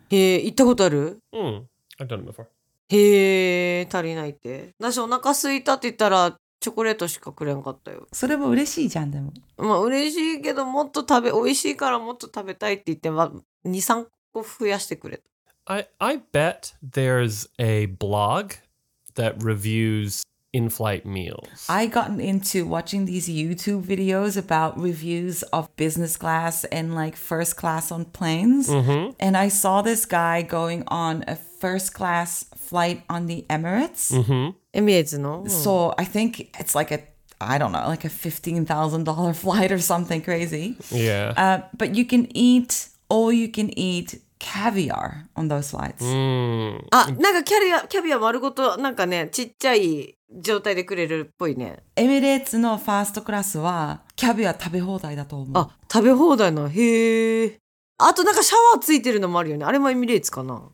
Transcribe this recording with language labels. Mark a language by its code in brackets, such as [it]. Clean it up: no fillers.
[ja] 行ったことある？ [en] うん、I've done it before。 [ja] 足りないって。私お腹空いたって言ったらチョコレートしかくれんかったよ。それも嬉しいじゃん。でもまあ嬉しいけど、もっと食べ、美味しいからもっと食べたいって言って、まあ、2、3個増やしてくれ。 [en] I bet there's a blog that reviews in-flight meals. I gotten into watching these YouTube videos about reviews of business class and like first class on planes. Mm-hmm. And I saw this guy going on a first class flight on the Emirates. Mm-hmm. Emirates, no? So I think it's like a $15,000 flight or something crazy. Yeah. But you can eat all you can eat. Caviar on those flights. [ja] あ、なんかキャビア丸ごとなんかね、ちっちゃい状態でくれるっぽいね。エミレーツのファーストクラスはキャビア食べ放題だと思う。あ、食べ放題な。へえ。あとなんかシャワーついてるのもあるよね。あれもエミレーツかな。